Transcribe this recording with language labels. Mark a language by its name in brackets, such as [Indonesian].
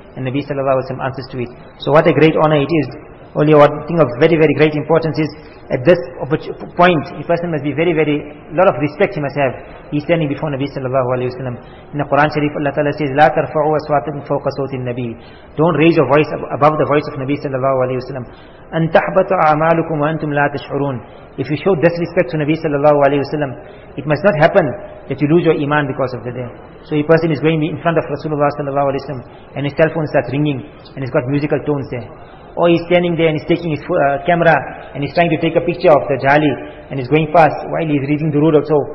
[English] And Nabi sallallahu alayhi wa sallam answers to it. So what a great honor it is. Only one thing of very, very great importance is, at this point, a person must be very, very, lot of respect he must have. He's standing before Nabi sallallahu alayhi wa sallam. In the Quran Sharif, Allah ta'ala says, [Arabic] لا ترفعوا أصواتكم فوق صوت النبي. [English] Don't raise your voice above the voice of Nabi sallallahu alayhi wa sallam. [Arabic] أن تحبط أعمالكم وأنتم لا تشعرون. [English] If you show disrespect to Nabi sallallahu alayhi wa sallam, it must not happen that you lose your iman because of the day. So a person is going in front of Rasulullah sallallahu alayhi wa sallam, and his cell phone starts ringing, and it's got musical tones there. Or he's standing there and he's taking his camera and he's trying to take a picture of the jali and he's going past while he's reading the route also.